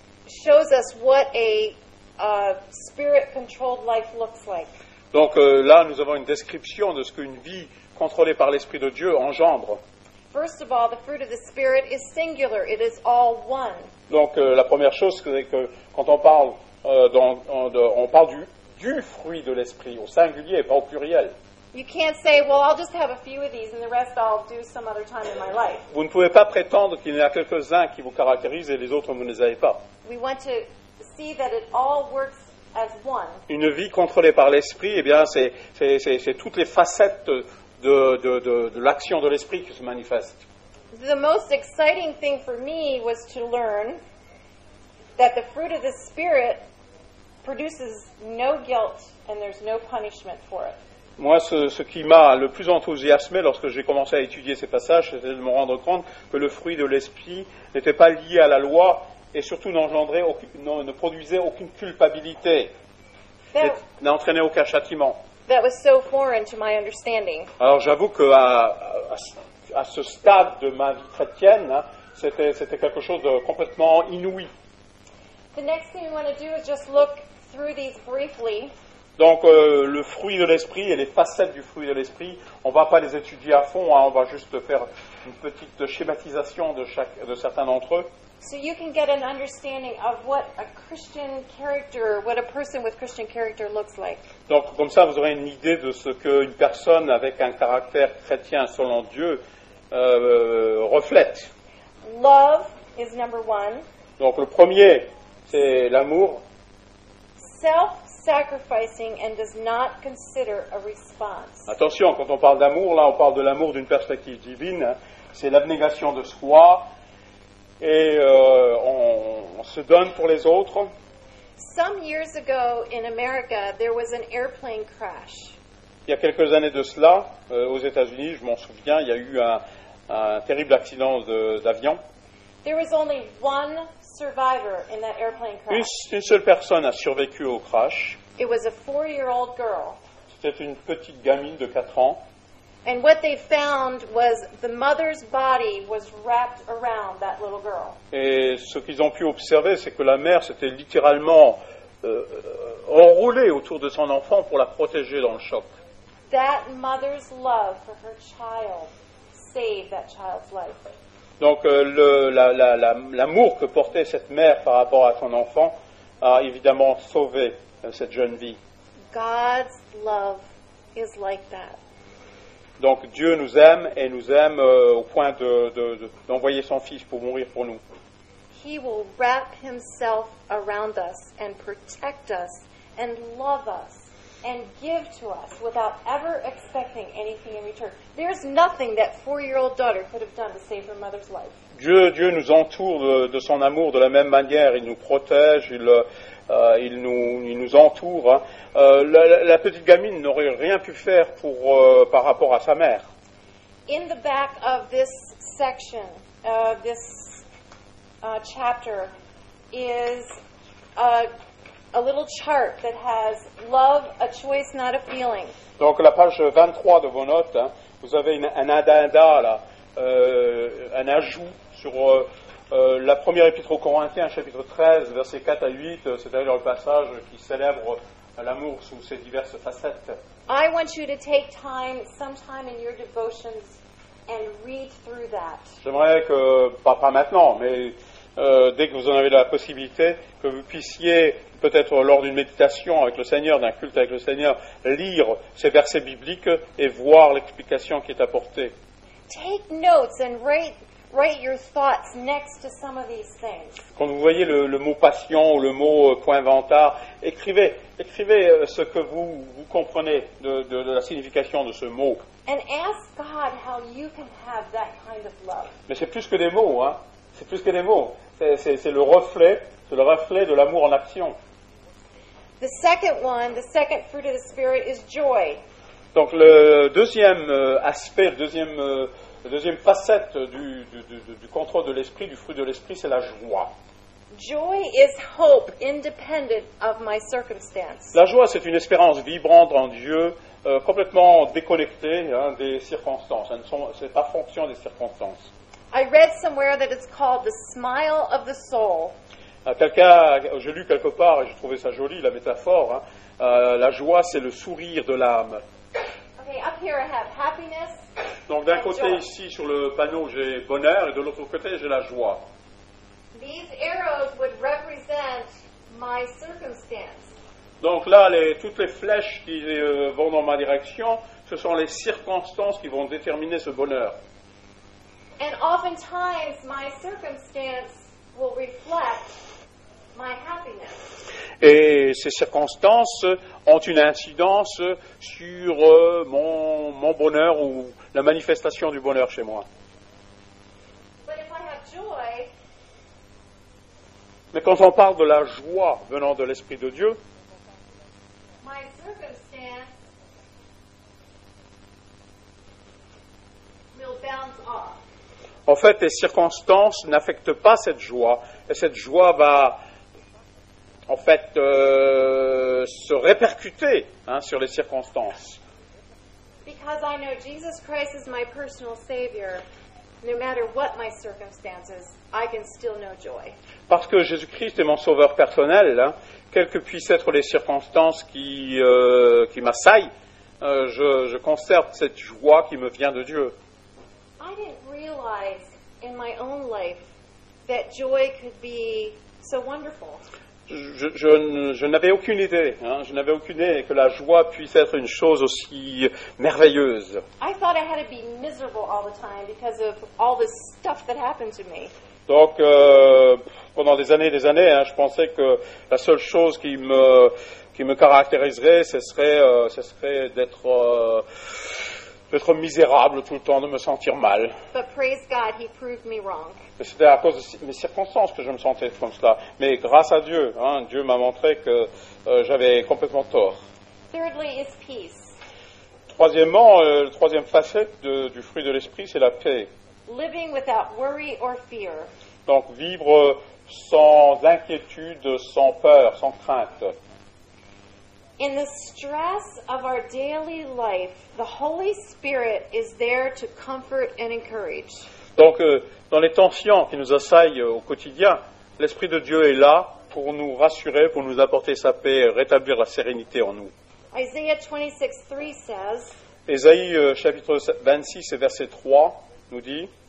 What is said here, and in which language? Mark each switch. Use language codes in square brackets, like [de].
[en] shows us what a spirit-controlled life looks like. [fr] Donc là, nous avons une description de ce qu'une vie contrôlée par l'Esprit de Dieu engendre. [en] First of all, the fruit of the Spirit is singular. It is all one. [fr] Donc la première chose, c'est que quand on parle, on parle du fruit de l'Esprit, au singulier, pas au pluriel. [en] You can't say, well, I'll just have a few of these and the rest I'll do some other time in my life. [fr] Vous ne pouvez pas prétendre qu'il y a quelques-uns qui vous caractérisent et les autres, vous ne les avez pas. [en] We want to see that it all works as one. [fr] Une vie contrôlée par l'Esprit, eh bien, c'est toutes les facettes de l'action de l'Esprit qui se manifeste. [en] The most exciting thing for me was to learn that the fruit of the Spirit produces no guilt and there's no punishment for it. [fr] Moi, ce qui m'a le plus enthousiasmé lorsque j'ai commencé à étudier ces passages, c'était de me rendre compte que le fruit de l'Esprit n'était pas lié à la loi et surtout n'engendrait ne produisait aucune culpabilité, n'entraînait aucun châtiment. [en] That was so foreign to my understanding. [fr] Alors j'avoue qu'à ce stade de ma vie chrétienne, c'était quelque chose de complètement inouï. [en] The next thing we want to do is just look through these briefly. [fr] Donc, le fruit de l'Esprit et les facettes du fruit de l'Esprit, on ne va pas les étudier à fond, hein, on va juste faire une petite schématisation de certains d'entre eux. [en] So you can get an understanding of what a Christian character, what a person with Christian character looks like. [fr] Donc, comme ça, vous aurez une idée de ce qu'une personne avec un caractère chrétien selon Dieu reflète. [en] Love is number one. [fr] Donc, le premier, c'est l'amour. [en] Self-sacrificing and does not consider a response. [fr] Attention, quand on parle d'amour, là, on parle de l'amour d'une perspective divine. C'est l'abnégation de soi et on se donne pour les autres. [en] Some years ago in America, there was an airplane crash. [fr] Il y a quelques années de cela, aux États-Unis, je m'en souviens, il y a eu un terrible accident d'avion. [en] There was only one survivor in that airplane crash. [fr] Une seule personne a survécu au crash. [en] It was a 4-year-old girl. [fr] C'était une petite gamine de 4 ans. [en] And what they found was the mother's body was wrapped around that little girl. [fr] Et ce qu'ils ont pu observer, c'est que la mère s'était littéralement enroulée autour de son enfant pour la protéger dans le choc. [en] That mother's love for her child saved that child's life. [fr] Donc, l'amour que portait cette mère par rapport à son enfant a évidemment sauvé cette jeune vie. [en] God's love is like that. [fr] Donc, Dieu nous aime et nous aime au point d'envoyer son Fils pour mourir pour nous. [en] He will wrap himself around us and protect us and love us and give to us without ever expecting anything in return. There's nothing that 4-year-old daughter could have done to save her mother's life. [fr] Dieu nous entoure de son amour de la même manière. Il nous protège, il nous entoure. Hein. La petite gamine n'aurait rien pu faire pour par rapport à sa mère. [en] In the back of this section, this chapter is a little chart that has love, a choice, not a feeling. [fr] Donc la page 23 de vos notes, hein, vous avez un addenda là, un ajout sur la première épître aux Corinthiens, chapitre 13, versets 4 à 8, c'est-à-dire le passage qui célèbre l'amour sous ses diverses facettes. [en] I want you to take time, some time in your devotions, and read through that. [fr] J'aimerais que, pas maintenant, mais dès que vous en avez la possibilité, que vous puissiez, peut-être lors d'une méditation avec le Seigneur, d'un culte avec le Seigneur, lire ces versets bibliques et voir l'explication qui est apportée. [en] Take notes and write your thoughts next to some of these things. [fr] Quand vous voyez le mot passion ou le mot coinventard, écrivez ce que vous comprenez de la signification de ce mot. [en] And ask God how you can have that kind of love. [fr] Mais c'est plus que des mots, hein. C'est plus que des mots. C'est le reflet de l'amour en action. [en] The second one, the second fruit of the Spirit is joy. [fr] Donc le deuxième aspect, la deuxième facette du contrôle de l'esprit, du fruit de l'esprit, c'est la joie. [en] Joy is hope independent of my circumstance. [fr] La joie, c'est une espérance vibrante en Dieu, complètement déconnectée hein, des circonstances. C'est pas fonction des circonstances. [en] I read somewhere that it's called the smile of the soul. [fr] Quelqu'un, j'ai lu quelque part, et j'ai trouvé ça joli, la métaphore, hein, la joie, c'est le sourire de l'âme. [en] Okay, up here I have happiness. [fr] Donc d'un [en] and [fr] côté [en] joy. [fr] Ici, sur le panneau, j'ai bonheur, et de l'autre côté, j'ai la joie. [en] These arrows would represent my circumstance. [fr] Donc là, toutes les flèches qui vont dans ma direction, ce sont les circonstances qui vont déterminer ce bonheur. [en] And oftentimes, my circumstance will reflect my happiness. [fr] Et ces circonstances ont une incidence sur mon bonheur ou la manifestation du bonheur chez moi. [en] But if I have joy, [fr] mais quand on parle de la joie venant de l'Esprit de Dieu, [en] my circumstance will bounce off. [fr] En fait, les circonstances n'affectent pas cette joie, et cette joie va, en fait, se répercuter hein, sur les circonstances. [en] Because I know Jesus Christ is my personal Savior, no matter what my circumstances, I can still know joy. [fr] Parce que Jésus-Christ est mon Sauveur personnel, hein, quelles que puissent être les circonstances qui m'assaillent, je conserve cette joie qui me vient de Dieu. [en] I didn't realize in my own life that joy could be so wonderful. [fr] Je n'avais aucune idée, hein, je n'avais aucune idée que la joie puisse être une chose aussi merveilleuse. [en] I thought I had to be miserable all the time because of all the stuff that happened to me. [fr] Donc pendant des années, hein, je pensais que la seule chose qui me caractériserait, ce serait d'être misérable tout le temps, de me sentir mal. [en] But praise God, he proved me wrong. [fr] Et c'était à cause de mes circonstances que je me sentais comme cela. Mais grâce à Dieu, hein, Dieu m'a montré que j'avais complètement tort. [en] Thirdly is peace. [fr] Troisièmement, la troisième facette du fruit de l'esprit, c'est la paix. [en] Living without worry or fear. [fr] Donc vivre sans inquiétude, sans peur, sans crainte. [en] In the stress of our daily life, the Holy Spirit is there to comfort and encourage. [fr] Donc, dans les tensions qui nous assaillent au quotidien, l'Esprit de Dieu est là pour nous rassurer, pour nous apporter sa paix, rétablir la sérénité en nous. [en] Isaiah 26:3 says. [fr] Ésaïe chapitre 26 et verset 3 nous dit.